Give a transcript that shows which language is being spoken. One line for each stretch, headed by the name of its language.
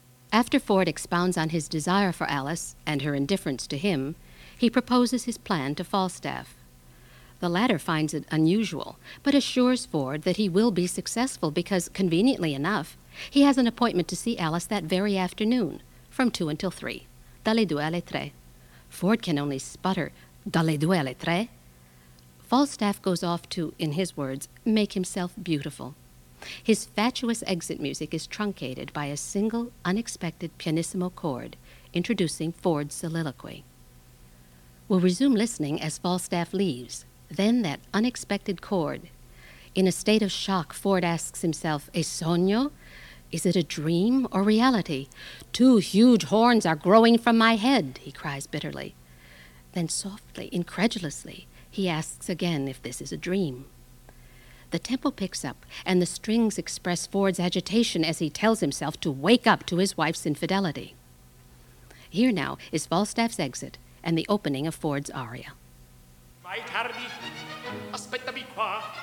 English: After Ford expounds on his desire for Alice and her indifference to him, he proposes his plan to Falstaff. The latter finds it unusual, but assures Ford that he will be successful because, conveniently enough, he has an appointment to see Alice that very afternoon, from 2 until 3,
Italian: dalle due alle tre.
English: Ford can only sputter,
Italian: dalle due alle tre.
English: Falstaff goes off to, in his words, make himself beautiful. His fatuous exit music is truncated by a single, unexpected pianissimo chord, introducing Ford's soliloquy. We'll resume listening as Falstaff leaves. Then that unexpected chord. In a state of shock, Ford asks himself,
Italian: "E sogno?
English: Is it a dream or reality? Two huge horns are growing from my head," he cries bitterly. Then softly, incredulously, he asks again if this is a dream. The tempo picks up, and the strings express Ford's agitation as he tells himself to wake up to his wife's infidelity. Here now is Falstaff's exit and the opening of Ford's aria.
Italian: Vai tardi, aspettami qua.